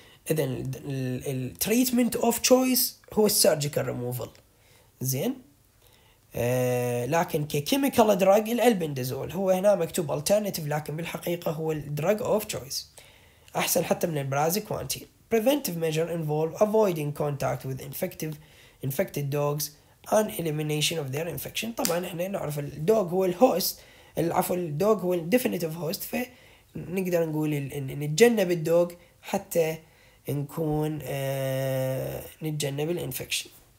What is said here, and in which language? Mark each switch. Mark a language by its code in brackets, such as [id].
[ar] إذن [en] treatment of choice [ar] هو السيرجيكال ريموفال زين، لكن ككيميكال دراج الالبندازول هو هنا مكتوب alternative، لكن بالحقيقة هو الدراج [en] of choice [ar] أحسن حتى من البرازي كوانتيل. [en] preventive measure involve avoiding contact with infected dogs and elimination of their infection. [ar] طبعا احنا نعرف الدوغ هو الهوست، العفو الدوغ هو [en] definitive host، [ar] فنقدر نقول ان نتجنب الدوغ حتى نكون نتجنب الانفكشن.